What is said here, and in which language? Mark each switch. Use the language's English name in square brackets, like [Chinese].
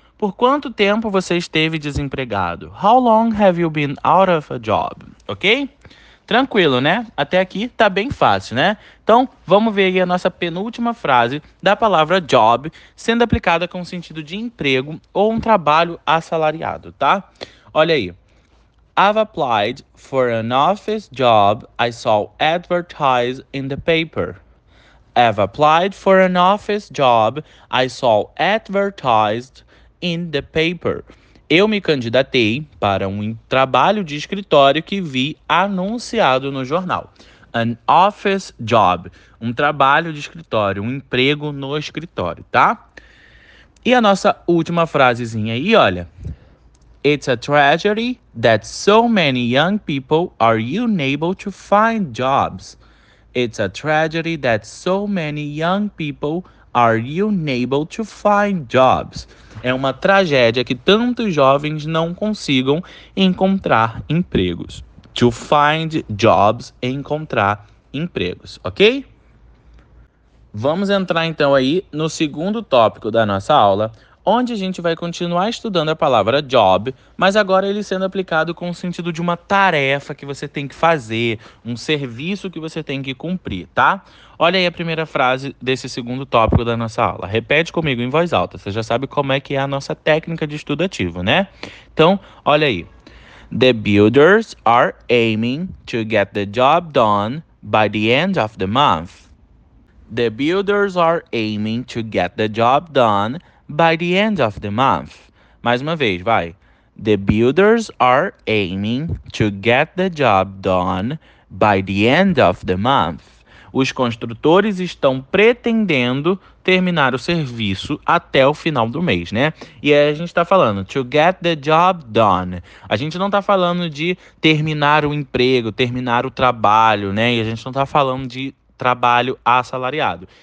[Portuguese] Por quanto tempo você esteve desempregado? [English] How long have you been out of a job? [Portuguese] Ok? Tranquilo, né? Até aqui tá bem fácil, né? Então, vamos ver aí a nossa penúltima frase da palavra job sendo aplicada com sentido de emprego ou um trabalho assalariado, tá? Olha aí. [English] I've applied for an office job I saw advertised in the paper. I've applied for an office job I saw advertised in the paper. [Portuguese] Eu me candidatei para um trabalho de escritório que vi anunciado no jornal. An office job. Um trabalho de escritório, um emprego no escritório, tá? E a nossa última frasezinha aí, olha. [English] It's a tragedy that so many young people are unable to find jobs. It's a tragedy that so many young people are unable to find jobs. [Portuguese] É uma tragédia que tantos jovens não consigam encontrar empregos. [English] To find jobs [Portuguese] é encontrar empregos, ok? Vamos entrar então aí no segundo tópico da nossa aula, onde a gente vai continuar estudando a palavra job, mas agora ele sendo aplicado com o sentido de uma tarefa que você tem que fazer, um serviço que você tem que cumprir, tá? Olha aí a primeira frase desse segundo tópico da nossa aula. Repete comigo em voz alta. Você já sabe como é que é a nossa técnica de estudo ativo, né? Então, olha aí. [English] The builders are aiming to get the job done by the end of the month. The builders are aiming to get the job done by the end of the month. [Portuguese] Mais uma vez, vai. [English] The builders are aiming to get the job done by the end of the month. [Portuguese] Os construtores estão pretendendo terminar o serviço até o final do mês, né? E aí a gente está falando [English] to get the job done. [Portuguese] A gente não está falando de terminar o emprego, terminar o trabalho, né? E a gente não está falando de trabalho assalariado.